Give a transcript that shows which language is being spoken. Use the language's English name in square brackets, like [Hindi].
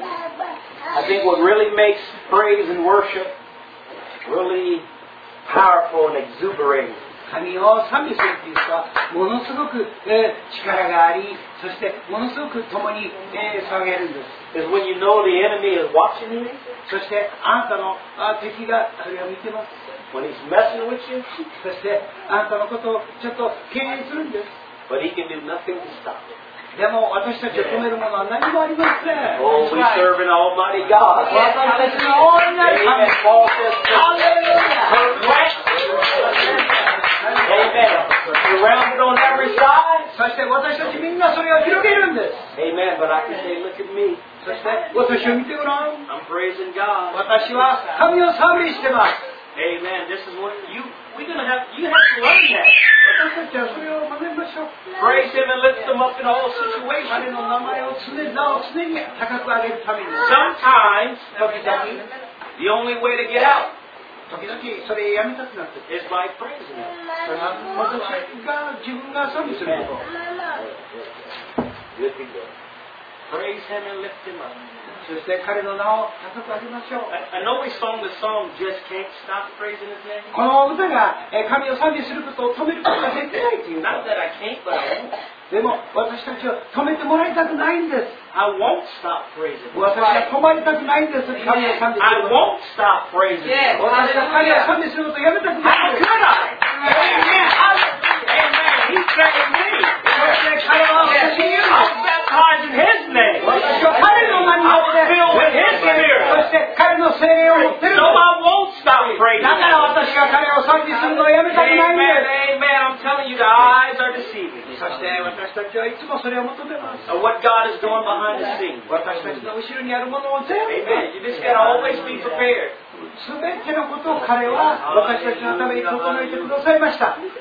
[English] I think what really makes praise and worship really powerful and exuberating. [Japanese] 神を賛美するというか、ものすごく、力があり、そしてものすごく共に、騒げるんです。 [English] Is when you know the enemy is watching you. [Japanese] そしてあなたの敵がそれを見てます。 [English] When he's messing with you. [Japanese] そしてあなたのことをちょっと敬遠するんです。 [English] But he can do nothing to stop it. [Japanese] でも私たちを止めるものは何もありません。 [English] Oh, we serve an almighty God. [Japanese] 私たちの大いなる神。 [English] Amen. Paul says, Hallelujah. Perfect. Amen. Surrounded on every side. [Japanese] そして私たちみんなそれを広げるんです。 [English] Amen. But I can say, look at me. [Japanese] そして私を見てごらん。 [English] I'm praising God. [Japanese] 私は神を賛美してます。 [English] Amen. This is what you, we're going to have, you have to learn that. Praise him and lift him up in all situations. Sometimes, the only way to get out is by praising him. Praise him and lift him up. I know we sung the song, Just Can't Stop Praising His Name. [Japanese] この歌が神を賛美することを止めることができないという。 [English] Not that I can't, but I won't. [Japanese] でも私たちを止めてもらいたくないんです。 [English] I won't stop praising. [Japanese] 私は止まりたくないんです。神を賛美することを。 [English] I won't stop praising. [Japanese] 私は神を賛美することをやめたくない。 [English] How could I? Amen. Amen. He's saying me. He's saying me. He's saying you. In His name, I'm filled with His Spirit. So I won't stop praying. Amen, amen. I'm telling you, the eyes are deceiving. What God is doing behind the scenes. Amen. You just gotta always be prepared. [Japanese] すべてのことを彼は私たちのために整えてくださいました。